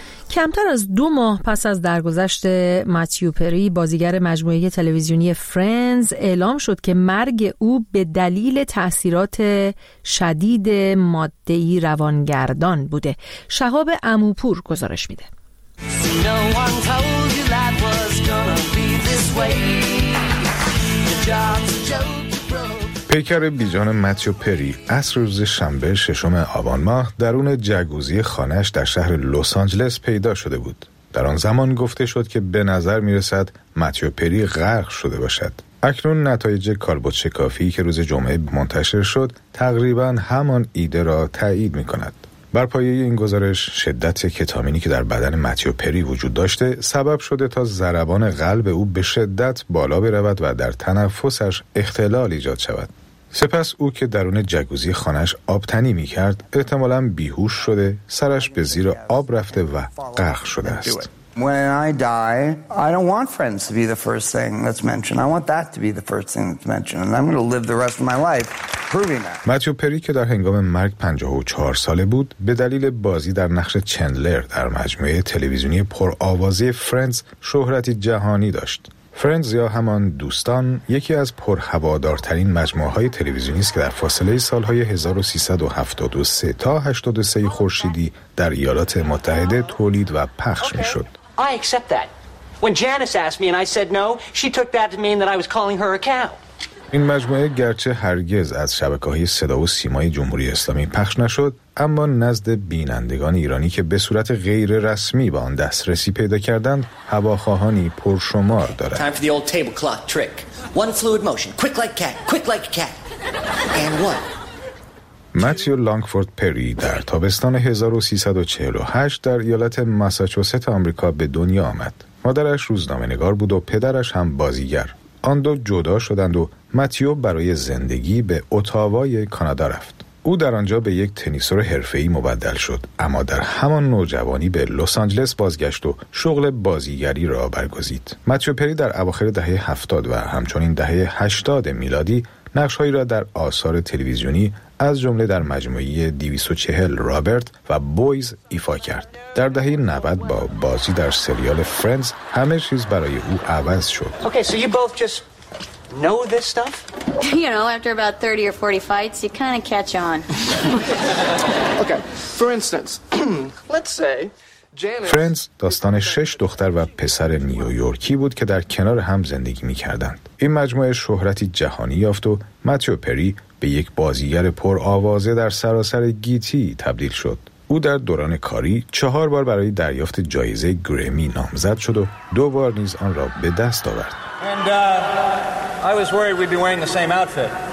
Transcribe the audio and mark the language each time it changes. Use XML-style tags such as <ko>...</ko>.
<fa>کمتر از 2 ماه پس از درگذشت ماتیو پری، بازیگر مجموعه تلویزیونی فرندز، اعلام شد که مرگ او به دلیل تأثیرات شدید ماده‌ای روانگردان بوده. شهاب عموپور گزارش میده.</fa> <en>No one told you that was gonna be this way.</en> <fa>پیکر بیجان متیو پری از روز شنبه ششم آبان ماه درون جگوزی خانهش در شهر لس آنجلس پیدا شده بود. در آن زمان گفته شد که به نظر می رسد متیو پری غرق شده باشد. اکنون نتایج کالبد شکافی که روز جمعه منتشر شد تقریبا همان ایده را تایید می کند. بر پایه این گزارش شدت کتامینی که در بدن متیو پری وجود داشته سبب شده تا ضربان قلب او به شدت بالا برود و در تنفسش اختلال ایجاد شود. سپس او که درون جگوزی خانهش آبتنی می کرد احتمالاً بیهوش شده، سرش به زیر آب رفته و غرق شده است.</fa> <en>When I die, I don't want friends to be the first thing that's mentioned. I want that to be the first thing that's mentioned, and I'm going to live the rest of my life proving that.</en> <fa>متیو پری که در هنگام مرگ 54 ساله بود، به دلیل بازی در نقش چندلر در مجموعه تلویزیونی پرآوازه فرندز شهرتی جهانی داشت. فرندز یا همان دوستان یکی از پرهوادارترین مجموعه‌های تلویزیونی است که در فاصله سال‌های 1373 تا 83 خورشیدی در ایالات متحده تولید و پخش می‌شد.</fa> <en>I accept that. When Janice asked me and I said no, she took that to mean that I was calling her a cow.</en> <fa>این مجموعه گرچه هرگز از شبکه‌های صدا و سیمای جمهوری اسلامی پخش نشد، اما نزد بینندگان ایرانی که به صورت غیر رسمی با آن دسترسی پیدا کردند، هواخواهانی پرشمار دارد.</fa> <en>Time for the old table clock trick. One fluid motion, quick like cat, quick like cat. And what?</en> <fa>متیو لانگفورد پری در تابستان 1348 در ایالت ماساچوست آمریکا به دنیا آمد. مادرش روزنامه‌نگار بود و پدرش هم بازیگر. آن دو جدا شدند و متیو برای زندگی به اتاوای کانادا رفت. او در آنجا به یک تنیسور حرفه‌ای مبدل شد، اما در همان نوجوانی به لس آنجلس بازگشت و شغل بازیگری را برگزید. متیو پری در اواخر دهه 70 و همچنین دهه 80 میلادی نقش‌هایی را در آثار تلویزیونی از جمله در مجموعه 240 رابرت و بویز ایفا کرد. در دهه 90 با بازی در سریال فرندز همه چیز برای او عوض شد.</fa> <en>Okay, so you both just know this stuff? You know, after about 30 or 40 fights, you kind of catch on. Okay. For instance, let's say</en> <fa>فرندز داستان شش دختر و پسر نیویورکی بود که در کنار هم زندگی می کردند. این مجموعه شهرتی جهانی یافت و متیو پری به یک بازیگر پر آوازه در سراسر گیتی تبدیل شد. او در دوران کاری 4 بار برای دریافت جایزه گرمی نامزد شد و 2 بار نیز آن را به دست آورد.</fa> <en>And, I was worried we'd be wearing the same outfit.</en>